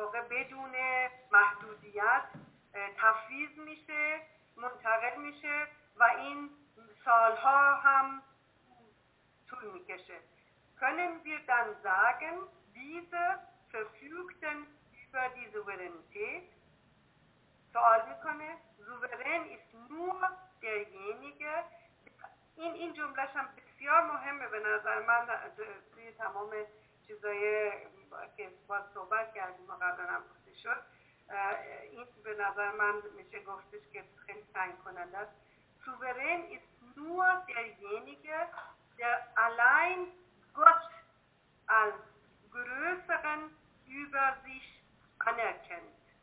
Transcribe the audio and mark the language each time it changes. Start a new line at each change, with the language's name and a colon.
Persian: بدون محدودیت تفویض میشه، منتقل میشه و این سالها هم طول میکشه.
German: Können wir dann sagen, diese verfügten über die Souveränität?
Persian: سوال میکنه.
German: Souverän ist nur derjenige.
Persian: این جملهش هم بسیار مهمه به نظر من توی تمام چیزایی که باز صحبت کردیم و قبلن هم گفته شد. این به نظر من میشه گفتش که خیلی تعیین کننده است.
German: Souverän ist nur derjenige, der allein Gott als größeren über sich anerkennt.